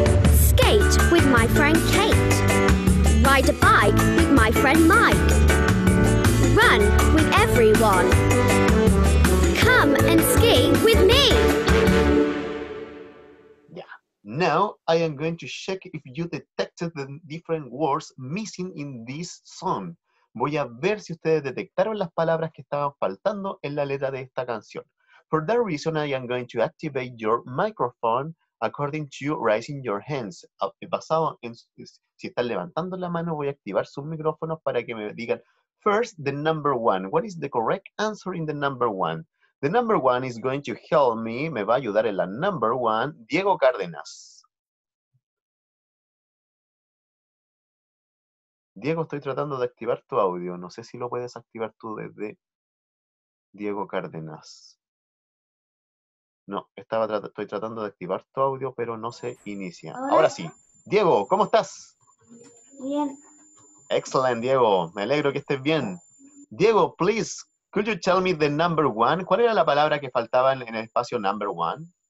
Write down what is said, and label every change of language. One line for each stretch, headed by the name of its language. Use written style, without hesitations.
English: Skate with my friend Kate. Ride a bike with my friend Mike. Run with everyone. Come and ski with me. Now, I am going to check if you detected the different words missing in this song.
Spanish: Voy a ver si ustedes detectaron las palabras que estaban faltando en la letra de esta canción.
English: For that reason, I am going to activate your microphone according to raising your hands.
Spanish: Basado en si están levantando la mano, voy a activar sus micrófonos para que me digan.
English: First, the number 1. What is the correct answer in the number 1? The number 1 is going to help me.
Spanish: Me va a ayudar en la number 1, Diego Cárdenas. Diego, estoy tratando de activar tu audio. No sé si lo puedes activar tú desde Diego Cárdenas. No, estoy tratando de activar tu audio, pero no se inicia. Hola. Ahora sí. Diego, ¿cómo estás? Bien.
English: Excellent,
Spanish: Diego. Me alegro que estés bien.
English: Diego, please, could you tell me the number one?
Spanish: ¿Cuál era la palabra que faltaba en el espacio number one?